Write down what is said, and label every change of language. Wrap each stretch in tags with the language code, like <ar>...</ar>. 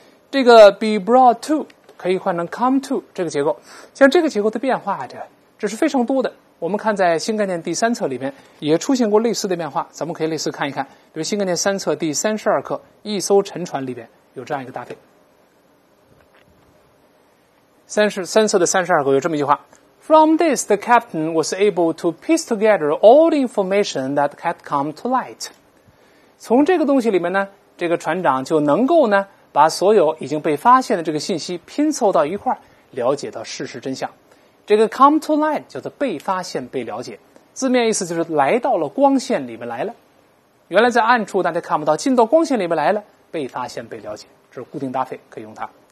<zh>这个 be brought to 可以换成 come to 这个结构，像这个结构的变化这是非常多的，我们看在新概念第三册里面也出现过类似的变化，咱们可以类似看一看，比如新概念三册第32课一艘沉船里面有这样一个搭配。三册的32课有这么一句话，</zh> <en>From this the captain was able to piece together all the information that had come to light。</en> <zh>从这个东西里面呢，这个船长就能够呢把所有已经被发现的这个信息拼凑到一块，了解到事实真相。这个 come to light 叫做被发现被了解，字面意思就是来到了光线里面来了，原来在暗处大家看不到，进到光线里面来了，被发现被了解，这是固定搭配，可以用它。</zh>